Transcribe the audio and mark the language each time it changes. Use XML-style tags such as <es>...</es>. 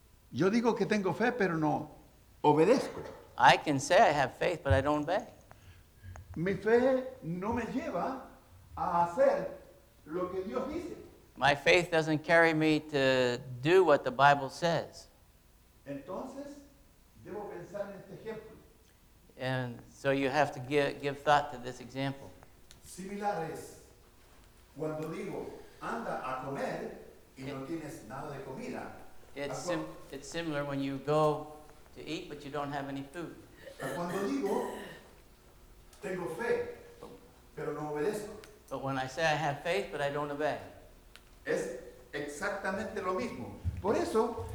<es>Yo digo que tengo fe, pero no obedezco.</es> <en>I can say I have faith, but I don't obey.</en> <es>Mi fe no me lleva a hacer lo que Dios dice.</es> <en>My faith doesn't carry me to do what the Bible says.</en> <es>Entonces, debo pensar en este ejemplo.</es> <en>And so you have to give thought to this example.</en> <es>Similar es cuando digo, anda a comer y no tienes nada de comida.</es> <en>It's similar when you go to eat, but you don't have any food.</en> <es>Cuando digo, tengo fe, pero no obedezco.</es> <en>But when I say I have faith, but I don't obey.</en> <es>Es exactamente lo mismo. Por eso,</es>